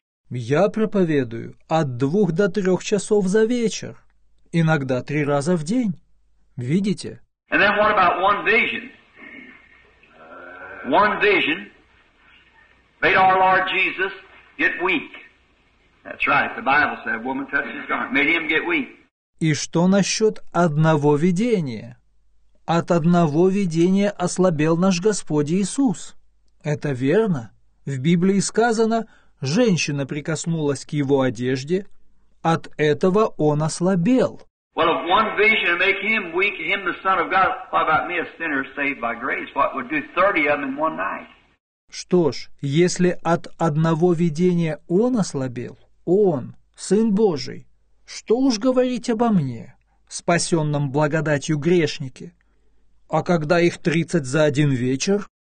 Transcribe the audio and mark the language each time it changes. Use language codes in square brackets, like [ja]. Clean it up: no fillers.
[ru] Я проповедую от 2 до 3 часов за вечер, иногда 3 раза в день. Видите? [en] And then what about one vision? One vision made our Lord Jesus get weak. That's right. The Bible said, "Woman touched his garment, made him get weak." [ru] И что насчет одного видения? От одного видения ослабел наш Господь Иисус. Это верно. В Библии сказано, женщина прикоснулась к его одежде, от этого он ослабел. [en] Well, if one vision make him weak, him the son of God, what about me, a sinner saved by grace? What would do 30 of them in one night? [ru] Что ж, если от одного видения он ослабел, он, Сын Божий, что уж говорить обо мне, спасенном благодатью грешнике? А когда их 30 за один вечер?